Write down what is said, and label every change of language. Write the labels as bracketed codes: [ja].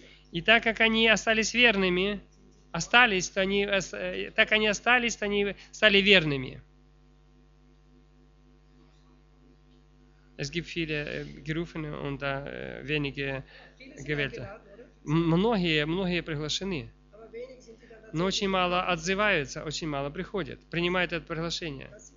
[ru] И так как они остались верными, они стали верными. [de] Es gibt viele gerufene und wenige gewählte. [ru] Многие приглашены, но очень мало отзываются, очень мало приходят, принимают это приглашение.